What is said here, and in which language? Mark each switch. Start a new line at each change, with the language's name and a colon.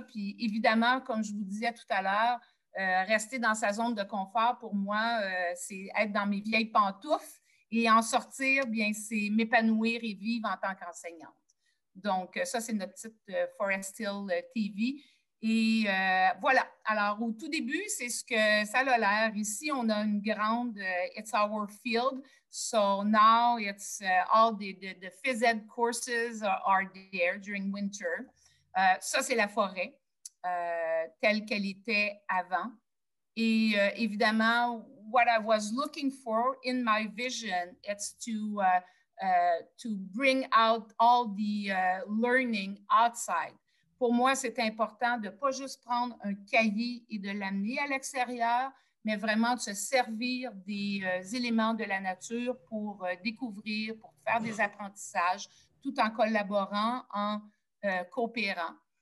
French: Puis, évidemment, comme je vous disais tout à l'heure, rester dans sa zone de confort, pour moi, c'est être dans mes vieilles pantoufles. Et en sortir, bien, c'est m'épanouir et vivre en tant qu'enseignante. Donc, ça, c'est notre petite Forest Hill TV. Et voilà. Alors, au tout début, c'est ce que ça a l'air. Ici, on a une grande «
English: it's our field ». So now, it's all the phys ed courses are there during winter.
French: Ça, c'est la forêt telle qu'elle était avant. Et évidemment,
English: what I was looking for in my vision, it's to bring out all the learning outside.
French: Pour moi, c'est important de ne pas juste prendre un cahier et de l'amener à l'extérieur, mais vraiment de se servir des éléments de la nature pour découvrir, pour faire des apprentissages, tout en collaborant, en coopérant.